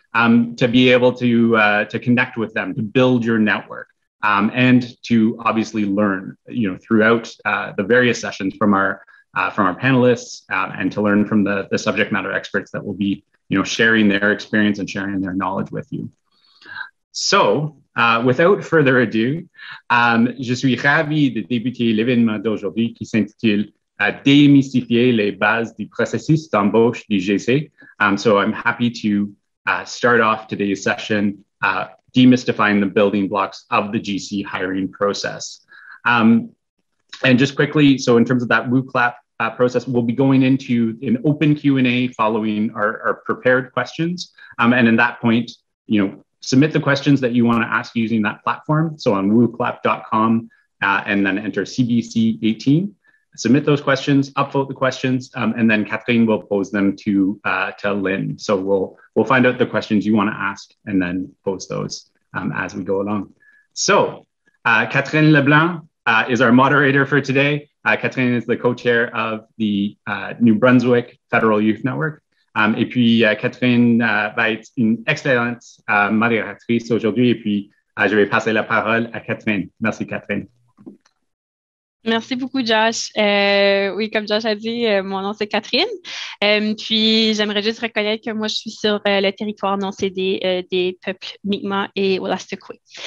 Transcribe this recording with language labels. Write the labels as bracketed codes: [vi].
[en] To be able to connect with them, to build your network, and to obviously learn, throughout the various sessions from our panelists, and to learn from the subject matter experts that will be, sharing their experience and sharing their knowledge with you. So Without further ado, [fr] je suis ravi de débuter l'événement d'aujourd'hui qui s'intitule Démystifier les bases du processus d'embauche du GC. [en] So I'm happy to start off today's session demystifying the building blocks of the GC hiring process. And just quickly, so in terms of that WCLAP process, we'll be going into an open Q&A following our prepared questions. And in that point, you know, submit the questions that you want to ask using that platform. So on wclap.com and then enter CBC18. Submit those questions, upvote the questions, and then Kathleen will pose them to Lynne. So we'll find out the questions you want to ask and then pose those as we go along. So Catherine Leblanc is our moderator for today. Catherine is the co-chair of the New Brunswick Federal Youth Network. [fr] Et puis, Catherine va être une excellente modératrice aujourd'hui. Et puis, je vais passer la parole à Catherine. Merci, Catherine. Merci beaucoup, Josh. Oui, comme Josh a dit, mon nom, c'est Catherine. Puis, j'aimerais juste reconnaître que moi, je suis sur le territoire non cédé des peuples Mi'kmaq et Olastiqui.